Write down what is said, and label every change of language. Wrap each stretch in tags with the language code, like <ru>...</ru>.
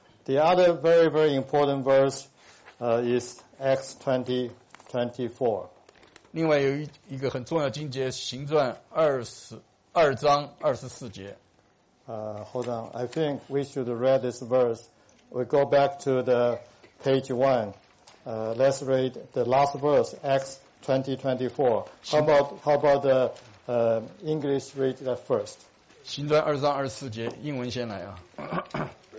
<en>The other very, very important verse, is Acts 20:24.</en> <zh>另外有一个很重要经节，行传22:24.</zh> <en>Hold on. I think we should read this verse. We go back to the page one. Let's read the last verse, Acts 20:24. How about the, English read that first?</en> <zh>行传22:24，英文先来啊。</zh>